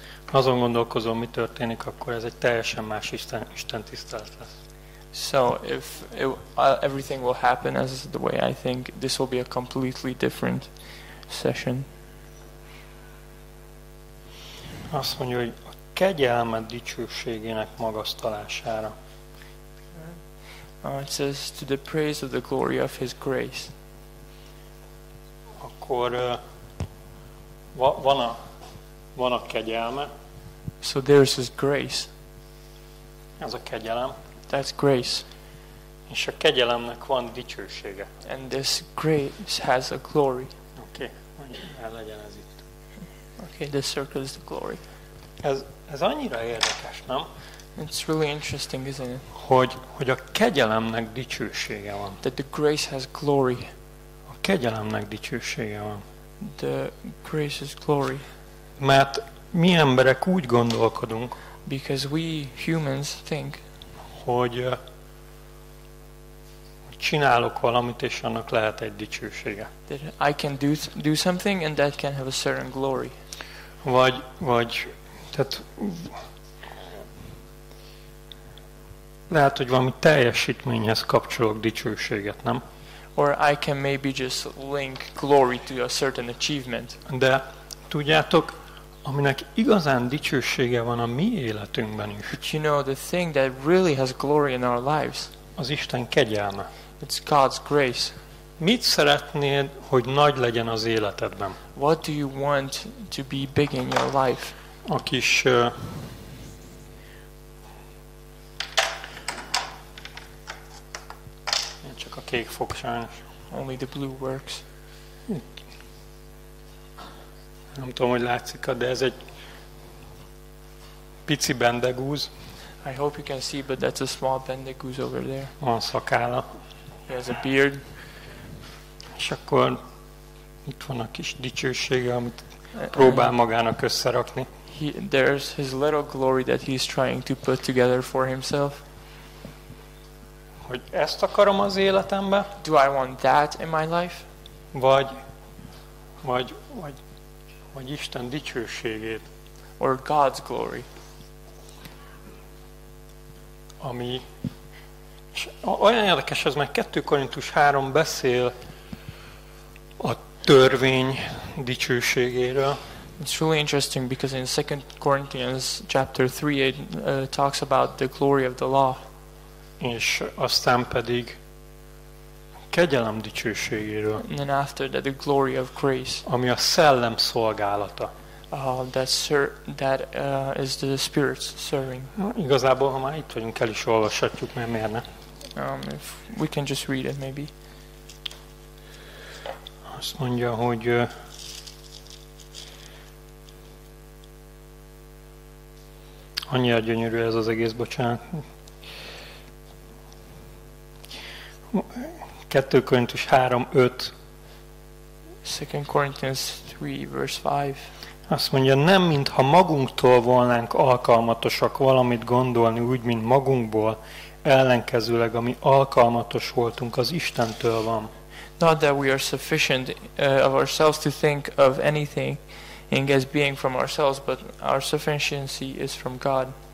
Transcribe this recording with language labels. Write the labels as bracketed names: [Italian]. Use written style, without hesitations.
[Hungarian] Azon gondolkozom, mi történik, akkor ez egy teljesen más Isten tisztelet lesz. [English] So if everything will happen as the way I think, this will be a completely different session. [Hungarian] Azt mondja, hogy a kegyelmed dicsőségének magasztalására. [English] It says to the praise of the glory of his grace. [Hungarian] Akkor van a kegyelme. [English] So there is his grace. [Hungarian] Ez a kegyelem. [English] That's grace. [Hungarian] És a kegyelemnek van dicsősége. [English] And this grace has a glory. [Hungarian] Oké, okay. Legyen ez itt. [English] Okay, this circle is the glory. [Hungarian] Ez annyira érdekes, nem? [English] It's really interesting, isn't it? [Hungarian] Hogy a kegyelemnek dicsősége van. [English] That the grace has glory. [Hungarian] A kegyelemnek dicsősége van. [English] The grace is glory. [Hungarian] Mert mi emberek úgy gondolkodunk, [English] because we humans think, [Hungarian] hogy csinálok valamit, és annak lehet egy dicsősége. [English] That I can do something and that can have a certain glory. [Hungarian] Vagy tehát lehet, hogy valami teljesítményhez kapcsolok dicsőséget, nem? [English] Or I can maybe just link glory to a certain achievement. [Hungarian] De tudjátok, aminek igazán dicsősége van a mi életünkben is. [English] But you know, the thing that really has glory in our lives. [Hungarian] Az Isten kegyelme. [English] It's God's grace. [Hungarian] Mit szeretnéd, hogy nagy legyen az életedben? [English] What do you want to be big in your life? [Hungarian] A kis csak a kék fog sajnos. [English] Only the blue works. [Hungarian] Nem tudom, hogy látszik, de ez egy pici bendegúz. [English] I hope you can see, but that's a small bendegúz over there. [Hungarian] Van szakála. [English] He has a beard. [Hungarian] És akkor itt van a kis dicsősége, amit próbál magának összerakni. [English] There's his little glory that he's trying to put together for himself. [Hungarian] Hogy ezt akarom az életembe? [English] Do I want that in my life? [Hungarian] Vagy Isten dicsőségét? [English] Or God's glory? [Hungarian] Ami olyan érdekes, ez meg 2 Korintus 3 beszél a törvény dicsőségéről. [English] It's really interesting because in 2 Corinthians chapter 3 it talks about the glory of the law. [Hungarian] És aztán pedig kegyelem dicsőségéről. [English] And then after that, the glory of grace. [Hungarian] Ami a szellem szolgálata. [English] Is the spirit's serving. [Hungarian] Igazából, ha már itt vagyunk, el is olvashatjuk, mert miért ne? [English] If we can just read it, maybe. [Hungarian] Azt mondja, hogy annyira gyönyörű ez az egész, bocsánat. 2 Korintus 3:5. [English] 2 Corinthians 3 verse 5. [Hungarian] Azt mondja, nem mintha magunktól volnánk alkalmatosak valamit gondolni úgy, mint magunkból, ellenkezőleg, ami alkalmatos voltunk, az Istentől van. [English] Not that we are sufficient of ourselves to think of anything in as being from ourselves, but our sufficiency is from God.